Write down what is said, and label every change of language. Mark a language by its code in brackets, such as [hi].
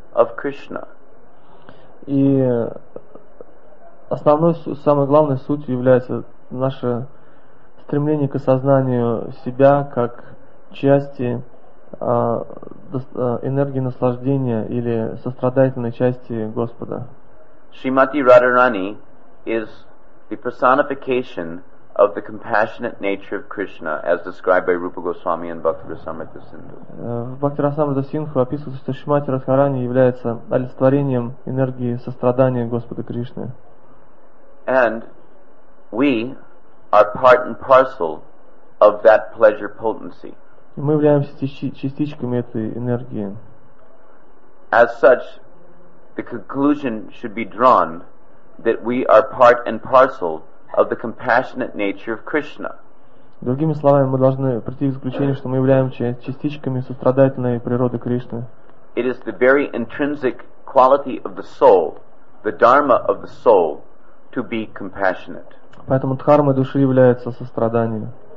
[en] of Krishna. [ru] И основной, самой главной сутью является наше стремление к осознанию себя как части энергии наслаждения или сострадательной части Господа. [en] Shrimati Radharani is the personification of the compassionate nature of Krishna as described by Rupa Goswami in Bhaktirasamrita Sindhu. [ru] Bhaktirasamrita Sindhu описывает, что Шримати Радхарани является олицетворением энергии сострадания Господа Кришны. [en] And we are part and parcel of that pleasure potency. [ru] Мы являемся частичками этой энергии. [en] As such, the conclusion should be drawn that we are part and parcel of the compassionate nature of Krishna. [ru] Другими словами, мы должны прийти к заключению, что мы являемся частичками сострадательной природы Кришны. [en] It is the very intrinsic quality of the soul, the dharma of the soul, to be compassionate. [ru] Поэтому дхармой души является сострадание.